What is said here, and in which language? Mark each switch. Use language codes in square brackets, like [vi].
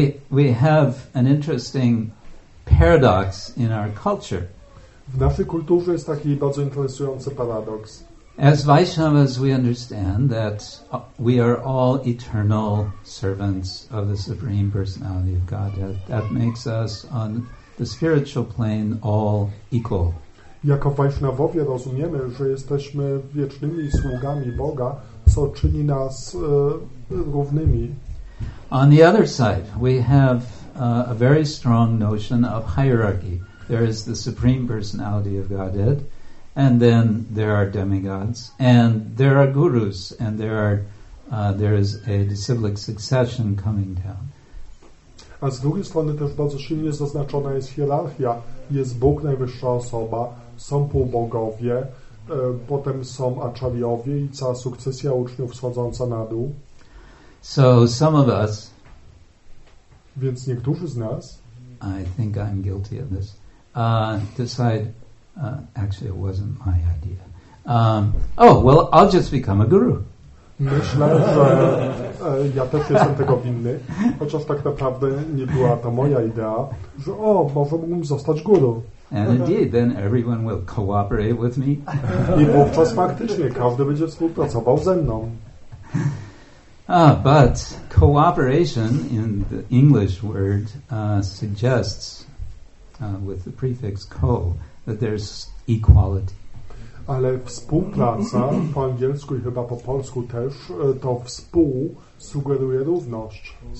[en] We have an interesting paradox in our culture. [pl] W naszej kulturze jest taki bardzo interesujący paradoks. [en] As Vaishnavas, we understand that we are all eternal servants of the Supreme Personality of Godhead. That makes us on the spiritual plane all equal. [pl] Jako Vaishnavowie rozumiemy, że jesteśmy wiecznymi sługami Boga, co czyni nas równymi. [en] On the other side, we have a very strong notion of hierarchy. There is the Supreme Personality of Godhead, and then there are demigods, and there are gurus, and there is a disciplic succession coming down. [pl] A z drugiej strony też bardzo silnie zaznaczona jest hierarchia. Jest Bóg, najwyższa osoba, są półbogowie, potem są aczariowie i cała sukcesja uczniów schodząca na dół. [en] So some of us, [pl] więc niektórzy z nas, [en] I think I'm guilty of this, decide, actually it wasn't my idea. I'll just become a guru. [pl] Myślę, że ja też jestem tego winny, chociaż tak naprawdę nie była to moja idea, że może mógłbym zostać guru. [en] And indeed, then everyone will cooperate with me. [pl] I wówczas faktycznie każdy będzie współpracował ze mną. [en] But cooperation in the English word suggests with the prefix co that there's equality. [pl] Ale współpraca po angielsku i chyba po polsku też to współ sugeruje równość.